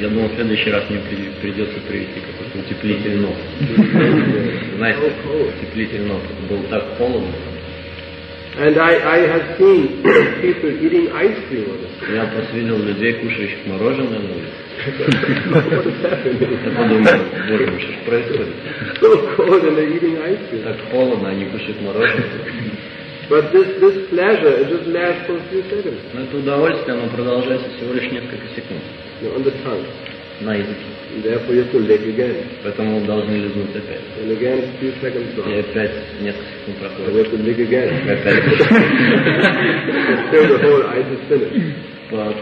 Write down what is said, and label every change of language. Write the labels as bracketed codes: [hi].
[ru] Я думал, в следующий раз мне придется привезти какой-то утеплитель ног. Знаете, утеплитель ног. Было так холодно. [en] And I have seen people eating ice cream on the street. [ru] Я просто видел людей, кушающих мороженое на улице. [en] What is happening? [ru] Боже, что происходит? [en] So cold and they're eating ice cream. [ru] Так холодно, они кушают мороженое. [en] But this pleasure it just lasts for a few seconds. [ru] Но это удовольствие, оно продолжается всего лишь несколько секунд. [en] No, on the tongue. [ru] На языке. [en] Therefore you have to lick again. [ru] Поэтому должны лизнуть опять. [en] And again a few seconds gone. [ru] И опять несколько секунд проходит. [en] You have to lick again. [ru] Опять. [en] Until the whole ice is finished.